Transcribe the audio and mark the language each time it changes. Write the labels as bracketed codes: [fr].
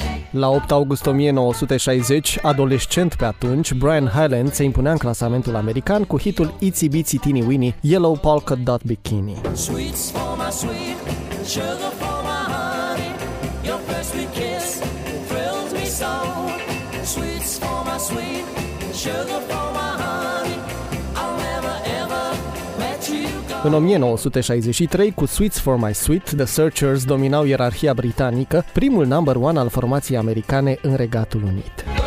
[ro] La 8 august 1960, adolescent pe atunci, Brian Hyland se impunea în clasamentul american cu hitul Itsy Bitsy Teeny Weeny Yellow Polka Dot Bikini. [en] Sweets for my sweet, sugar for my honey, your first sweet kiss thrills me so. Sweets for my sweet, sugar for my honey, I'll never ever let you go. [ro] În 1963, cu Sweets for My Sweet, The Searchers dominau ierarhia britanică, primul number one al formației americane în Regatul Unit.